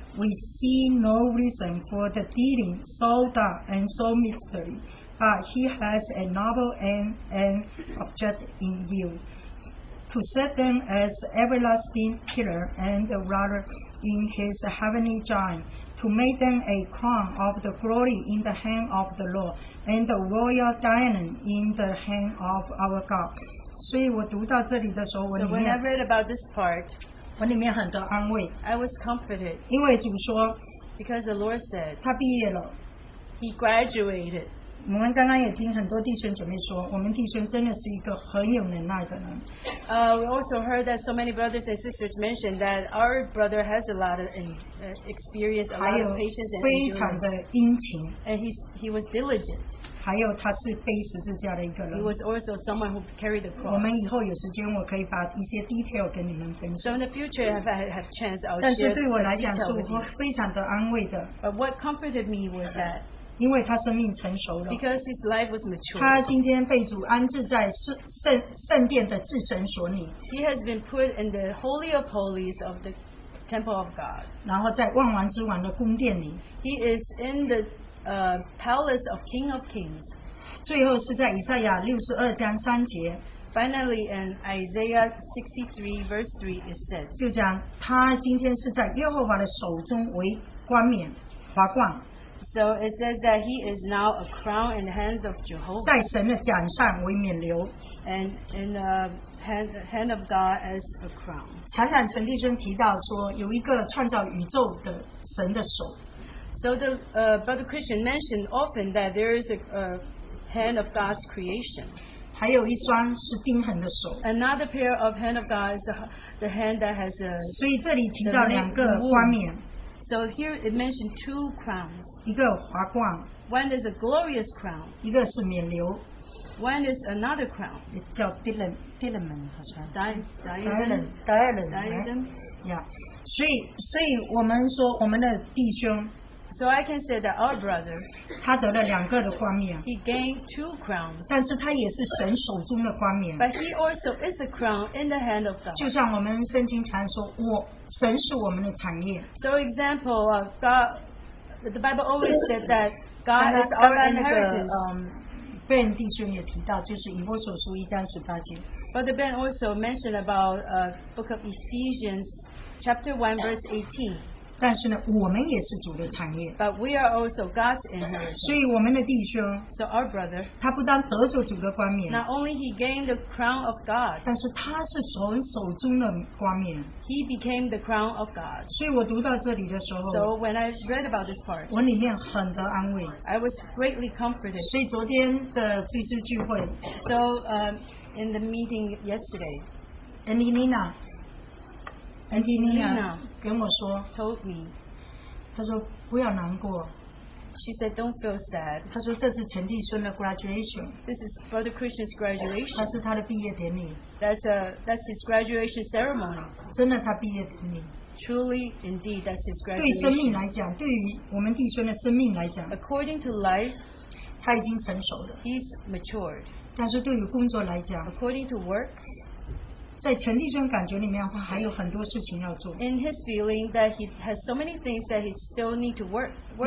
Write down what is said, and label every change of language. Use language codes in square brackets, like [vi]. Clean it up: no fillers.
[en] We see no reason for the dealing so dark and so mystery, but he has a noble end and object in view. To set them as everlasting pillar and rudder in his heavenly giant, to make them a crown of the glory in the hand of the Lord, and the royal diamond in the hand of our God. [zh] 所以我读到这里的时候，我里面 [en] So when I read about this part, [zh] 我里面很多安慰, [en] I was comforted. [zh] 因为主说, [en] because the Lord said, [zh] 他毕业了, [en] he graduated. [zh] 我们刚刚也听很多弟兄姐妹说，我们弟兄真的是一个很有能耐的人。 [en] We also heard that so many brothers and sisters mentioned that our brother has a lot of experience, a lot of patience and endurance. [zh] 非常的殷勤。 [en] And he was diligent. [zh] 还有他是背十字架的一个人。 [en] He was also someone who carried the cross. [zh] 我们以后有时间，我可以把一些detail跟你们分享。 [en] So in the future, if I have chance, I'll share some detail with you. [zh] 但是对我来讲，是我非常的安慰的。 [en] But what comforted me was that. Because his life was mature. [zh] 他今天被主安置在圣殿的至神所里。 [en] He has been put in the Holy of Holies of the Temple of God. [zh] 然后在万王之王的宫殿里。 [en] He is in the palace of King of Kings. [zh] 最后是在以赛亚62章3节。 [en] Finally, in Isaiah 63, verse 3, it says, [zh] 就讲, 他今天是在耶和华的手中为冠冕华冠。 [en] So it says that he is now a crown in the hands of Jehovah. [zh] 在神的奖上为冕旒。 [en] And in the hand of God as a crown. [zh] 闪闪陈弟兄提到说, 有一个创造宇宙的神的手。 [en] So the Brother Christian mentioned often that there is a hand of God's creation. [zh] 还有一双是钉痕的手。 [en] Another pair of hand of God is the hand that has a. [zh] 所以这里提到两个冠冕。 [en] So here it mentioned two crowns. [zh] 一个华冠, [en] one is a glorious crown. [zh] 一个是冕旒, [en] one is another crown. It's called diadem. Diadem. So I can say that our brother, he gained two crowns. But he also is a crown in the hand of God. [zh] 就像我们圣经常说, 神是我们的产业。 [en] So example, the Bible always says that God is our inheritance. [zh] Ben弟兄也提到，就是以弗所书1章18节。 [en] Brother Ben also mentioned about Book of Ephesians, chapter 1, verse 18. [zh] 但是呢，我们也是主的产业。 [en] But we are also God's inheritance. [zh] 所以我们的弟兄， [en] so our brother, [zh] 他不但得着主的冠冕， [en] not only he gained the crown of God, [zh] 但是他是从手中的冠冕。 [en] He became the crown of God. [zh] 所以我读到这里的时候， [en] so when I read about this part, [zh] 我里面很得安慰。 [en] I was greatly comforted. [zh] 所以昨天的追思聚会， [en] so in the meeting yesterday, and Nina. And Nina [zh] 跟我说, [en] told me, [zh] 她说不要难过, [en] she said, don't feel sad. [zh] 她说这是陈弟兄的graduation. [en] This is Brother Christian's graduation. [zh] 她是他的毕业典礼. [en] That's his graduation ceremony. [zh] 真的他毕业典礼。 [en] Truly, indeed, that's his graduation. [zh] 对生命来讲, 对于我们弟兄的生命来讲, [en] according to life, [zh] 他已经成熟了。 [en] He's matured. [zh] 但是对于工作来讲, [en] according to work, [zh] 在陈弟兄感觉里面，他还有很多事情要做。 [en] In his feeling that he has so many things that he still need to work on.